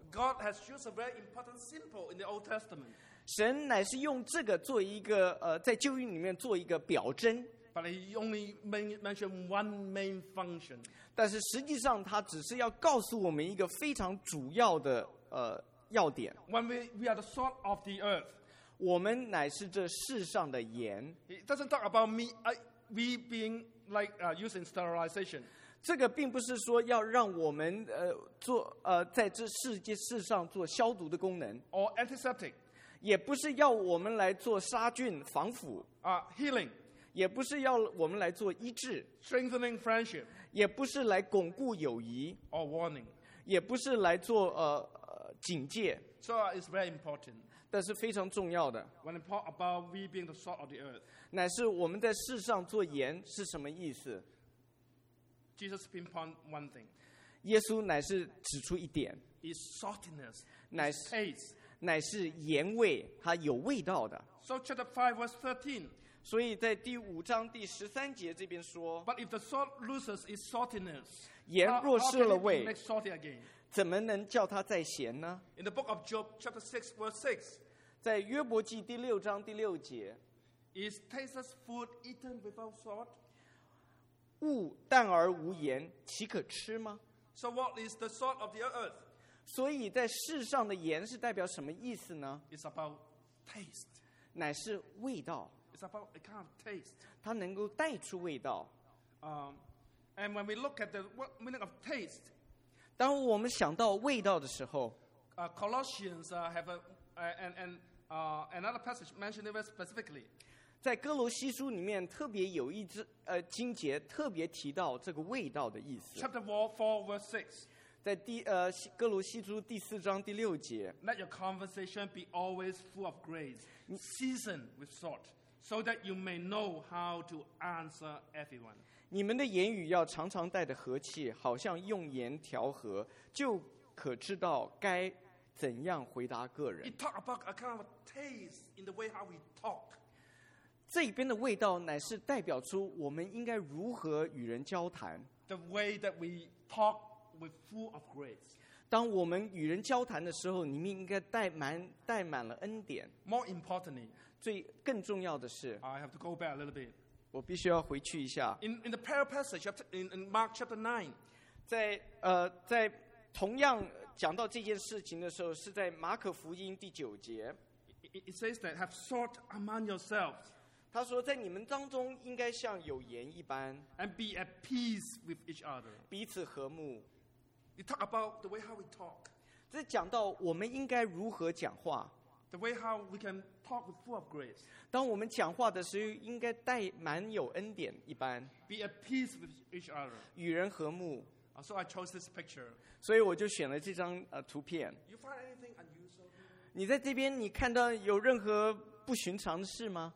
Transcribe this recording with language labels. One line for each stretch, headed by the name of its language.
English: God has used a very important symbol in the Old Testament.
Chinese: 神乃是用这个做一个在旧约里面做一个表征。
English: But he only mentioned one main function.
Chinese: 但是实际上他只是要告诉我们一个非常主要的要点。
English: When we are the salt of the earth,
Chinese: 我们乃是这世上的盐。
English: It doesn't talk about me. We being like using sterilization.
Chinese: 这个并不是说要让我们做在这世上做消毒的功能。
English: Or antiseptic.
Chinese: 也不是要我们来做杀菌防腐。
English: Healing.
Chinese: 也不是要我们来做医治。
English: Strengthening friendship.
Chinese: 也不是来巩固友谊。
English: Or warning.
Chinese: 也不是来做警戒。
English: So it's very important.
Chinese: 但是非常重要的。
English: When it talks about we being the salt of the earth.
Chinese: 乃是我们在世上做盐是什么意思？
English: Jesus pinpoint one thing.
Chinese: 耶稣乃是指出一点。
English: His saltiness,
Chinese: 乃是 taste. 乃是盐味，它有味道的。
English: So chapter 5 verse 13.
Chinese: 所以在第五章第十三节这边说。
English: But if the salt loses its saltiness,
Chinese: 盐若失了味，
English: how can it make salty again?
Chinese: 怎么能叫它再咸呢？
English: In the book of Job chapter 6 verse 6.
Chinese: 在约伯记第六章第六节
English: ，Is tasteless food eaten without salt？
Chinese: 物淡而无盐，岂可吃吗
English: ？So what is the salt of the earth？
Chinese: 所以在世上的盐是代表什么意思呢
English: ？It's about taste，
Chinese: 乃是味道。
English: It's about a kind of taste，
Chinese: 它能够带出味道。
English: And when we look at the what meaning of taste，
Chinese: 当我们想到味道的时候
English: ，Colossians have another passage mentioned it very specifically。
Chinese: 在哥罗西书里面特别有一支经节特别提到这个味道的意思。
English: Chapter 4 verse 6。
Chinese: 在哥罗西书第四章第六节。
English: Let your conversation be always full of grace, seasoned with salt, so that you may know how to answer everyone。
Chinese: 你们的言语要常常带着和气，好像用盐调和，就可知道该怎样回答个人。
English: It talk about a kind of taste in the way how we talk。
Chinese: 这边的味道乃是代表出我们应该如何与人交谈。
English: The way that we talk with full of grace。
Chinese: 当我们与人交谈的时候，你们应该带满了恩典。
English: More importantly，
Chinese: 最更重要的是
English: ，I have to go back a little bit。
Chinese: 我必须要回去一下。
English: In the parallel passage chapter in Mark chapter 9，
Chinese: 在同样讲到这件事情的时候，是在马可福音第九节。
English: It says that have salt among yourselves。
Chinese: 他说，在你们当中应该像有盐一般。
English: And be at peace with each other。
Chinese: 彼此和睦。
English: You talk about the way how we talk。
Chinese: 这讲到我们应该如何讲话。
English: The way how we can talk with full of grace。
Chinese: 当我们讲话的时候，应该带满有恩典一般。
English: Be at peace with each other。
Chinese: 与人和睦。
English: So I chose this picture。
Chinese: 所以我就选了这张图片。
English: You find anything unusual？
Chinese: 你在这边你看到有任何不寻常的事吗